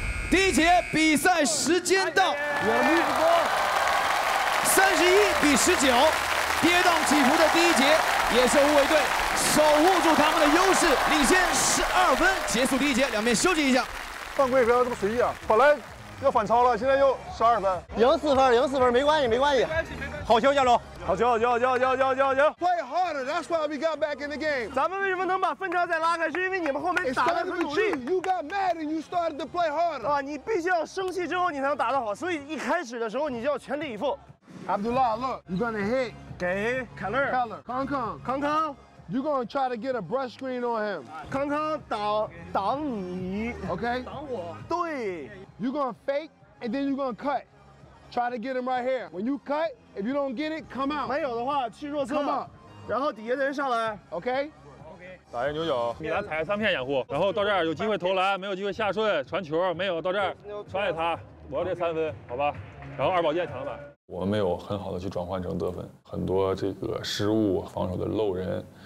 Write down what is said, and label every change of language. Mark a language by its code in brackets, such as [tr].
[zh] 第一节比赛时间到，31比19，跌宕起伏的第一节，也是乌龟队守护住他们的优势，领先12分，结束第一节，两边休息一下。犯规不要这么随意啊！本来要反超了，现在又12分，赢四分没关系，没关系。好球，加油！好球，加油 [en] ！Play harder, that's why we got back in the game。 [zh] 咱们为什么能把分差再拉开？是因为你们后面打得很努力。 [en] You got mad and you started to play harder。 [zh] 啊，你必须要生气之后你才能打得好，所以一开始的时候你就要全力以赴。 [en] Abdullah, look, you're gonna hit。 [zh] 给 Keller。 Keller。康康。 [en] You're gonna try to get a brush screen on him. [zh] 康康挡你，OK？挡我。对。 [en] You're gonna fake and then you're gonna cut. Try to get him right here. When you cut, if you don't get it, come out. [zh] 没有的话去弱侧。 [en] Come out. [zh] 然后底下的人上来，OK？打一个牛角，米兰踩了3片掩护，然后到这儿有机会投篮，没有机会下顺传球，没有到这儿传给他，我要这3分，好吧？然后二宝剑抢了板。我们没有很好的去转换成得分，很多这个失误，防守的漏人。